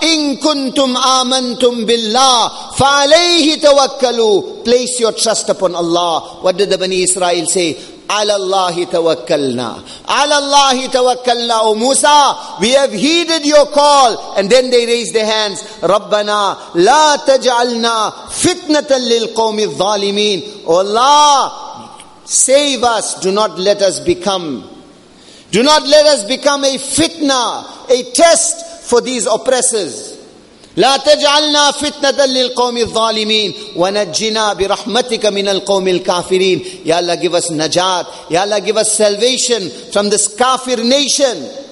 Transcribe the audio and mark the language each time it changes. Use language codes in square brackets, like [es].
[ar] In kuntum amantum billah, fa'alayhi tawakkalu. [en] Place your trust upon Allah. What did the Bani Israel say? [ar] على الله توكلنا. على الله توكلنا. [en] O Musa, we have heeded your call. And then they raised their hands. [ar] ربنا لا تجعلنا فتنة للقوم الظالمين. [en] O Allah, save us. Do not let us become. Do not let us become a fitna, a test for these oppressors. [ar] لا تجعلنا فتنة للقوم الظالمين ونجنا برحمتك من القوم الكافرين. [en] Ya Allah, give us najat. Ya Allah, give us salvation from this kafir nation.